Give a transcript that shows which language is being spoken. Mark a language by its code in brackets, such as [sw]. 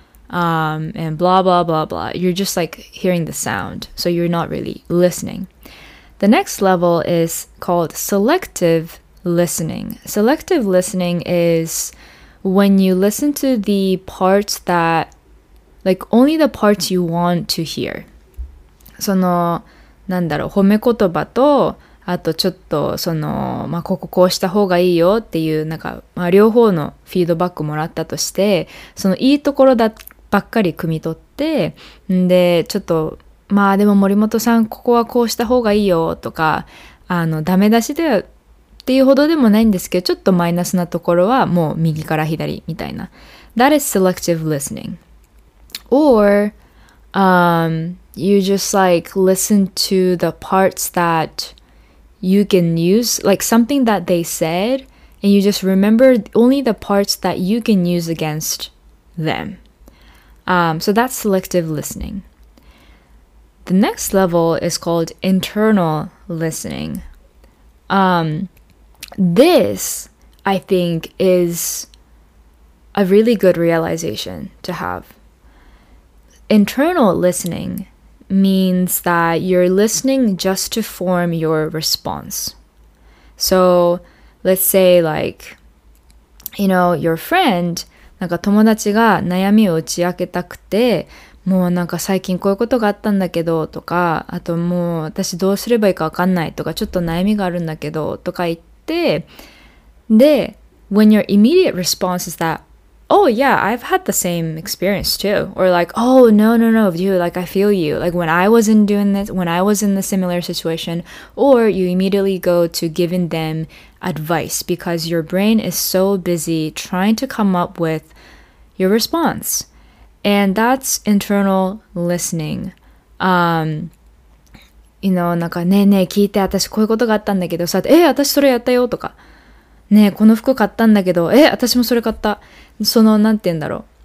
[en] And blah, blah, blah, blah. You're just like hearing the sound. So you're not really listening. The next level is called selective listening. Selective listening is when you listen to the parts that, like only the parts you want to hear. [ja] その、なんだろう、褒め言葉と、あとちょっとその、まあ、こここうした方がいいよっていう、なんか、まあ、両方のフィードバックもらったとして、そのいいところだってばっかり汲み取って、んで、ちょっと、まあでも森本さん、ここはこうした方がいいよとか、ダメ出しでっていうほどでもないんですけど、ちょっとマイナスなところはもう右から左みたいな。 [en] That is selective listening. Or, you just like listen to the parts that you can use, like something that they said, and you just remember only the parts that you can use against them. So that's selective listening. The next level is called internal listening. This, I think, is a really good realization to have. Internal listening means that you're listening just to form your response. So let's say like, you know, your friend... [ja] なんか友達が悩みを打ち明けたくて、もうなんか最近こういうことがあったんだけどとか、あともう私どうすればいいかわかんないとか、ちょっと悩みがあるんだけどとか言って、で、 [en] when your immediate response is that, oh yeah, I've had the same experience too. Or like, oh no, no, no, dude, like I feel you. Like when I wasn't doing this, when I was in the similar situation, or you immediately go to giving them... advice because your brain is so busy trying to come up with your response. And that's internal listening. You know, [ja] なんかねえねえ聞いて私こういうことがあったんだけどさ、え、私それやったよとか、ねえこの服買ったんだけど、え、私もそれ買った。そのなんて言うんだろう。